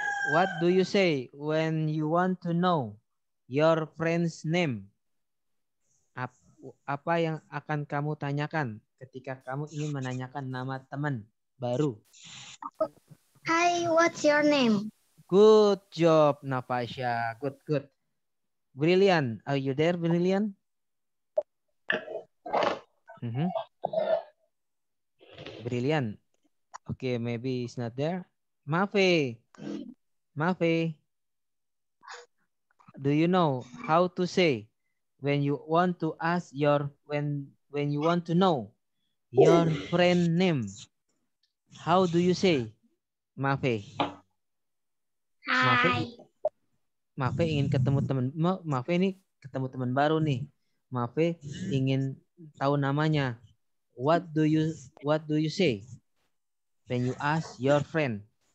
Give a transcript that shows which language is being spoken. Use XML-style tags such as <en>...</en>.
<en>What do you say when you want to know your friend's name?</en> <id>Apa yang akan kamu tanyakan ketika kamu ingin menanyakan nama teman baru?</id> <en>Hi, what's your name? Good job, Natasha. Good. Brilliant. Are you there, Brilliant? Brilliant. Okay, maybe it's not there. Mafe. Do you know how to say when you want to know your friend name? How do you say, Mafe?</en> <id>Mafe ingin ketemu teman, Mafe ini ketemu teman baru nih. Mafe ingin tahu namanya.</id> <en>What do you say when you ask your friend?</en>